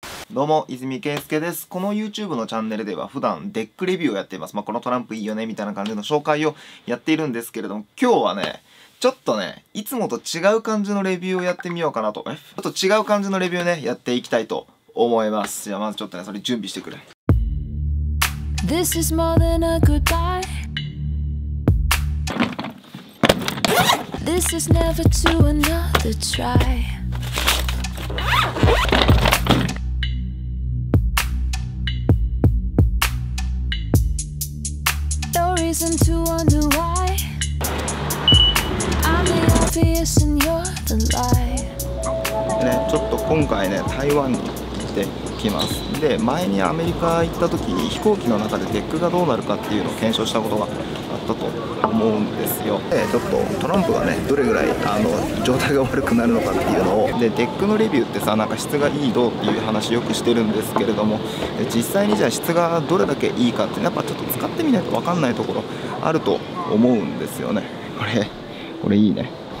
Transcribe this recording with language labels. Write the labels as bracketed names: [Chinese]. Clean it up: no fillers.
[Japanese] どうも泉圭介です。この YouTube のチャンネルでは普段デックレビューをやっています。まあこのトランプいいよねみたいな感じの紹介をやっているんですけれども、今日はねちょっとねいつもと違う感じのレビューをやってみようかなと、ちょっと違う感じのレビューねやっていきたいと思います。じゃあまずちょっとねそれ準備してくれ。 [English] This is more than a goodbye. This is never to another try. No reason to wonder why. I'm the obvious and you're the lie. [Japanese] ね、ちょっと今回ね台湾に来てきます。で前にアメリカ行った時に飛行機の中でデックがどうなるかっていうのを検証したことがあったと思うんですよ。でちょっとトランプがねどれぐらい状態が悪くなるのかっていうのを、でデックのレビューってさなんか質がいいどうっていう話よくしてるんですけれども、で実際にじゃあ質がどれだけいいかってやっぱちょっと使ってみないと分かんないところあると思うんですよね。これいいね。